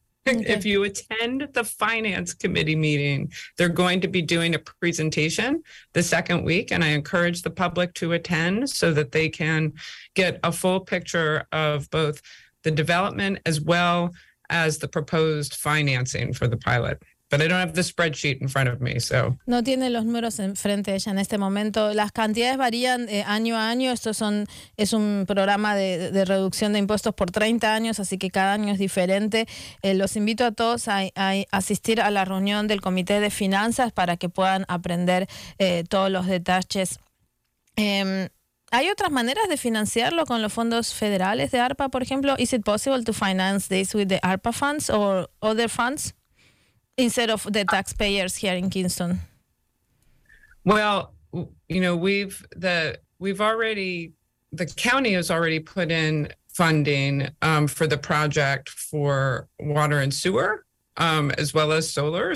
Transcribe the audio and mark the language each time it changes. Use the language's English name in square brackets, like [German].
[English] If you attend the finance committee meeting, they're going to be doing a presentation the second week, and I encourage the public to attend so that they can get a full picture of both the development as well as the proposed financing for the pilot. But I don't have the spreadsheet in front of me, so. [Spanish] No tiene los números enfrente de ella en este momento. Las cantidades varían año a año. Esto es un programa de reducción de impuestos por 30 años, así que cada año es diferente. Los invito a todos a asistir a la reunión del Comité de Finanzas para que puedan aprender todos los detalles. ¿Hay otras maneras de financiarlo con los fondos federales de ARPA, por ejemplo? [English] Is it possible to finance this with the ARPA funds or other funds? Instead of the taxpayers here in Kingston? Well, you know, the county has already put in funding for the project for water and sewer, as well as solar.